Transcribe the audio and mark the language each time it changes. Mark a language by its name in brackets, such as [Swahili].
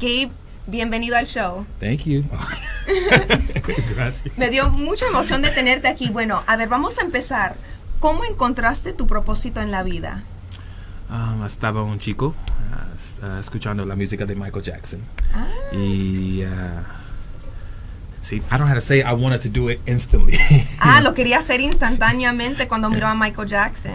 [Spanish] Gabe, bienvenido al show. [English] Thank you. [Spanish] Gracias. Me dio mucha emoción de tenerte aquí. Bueno, a ver, vamos a empezar. ¿Cómo encontraste tu propósito en la vida? Estaba un chico escuchando la música de Michael Jackson. Ah. Y... [English] See, I don't know how to say it. I wanted to do it instantly. [Spanish] Ah, lo quería hacer instantáneamente cuando miró a Michael Jackson.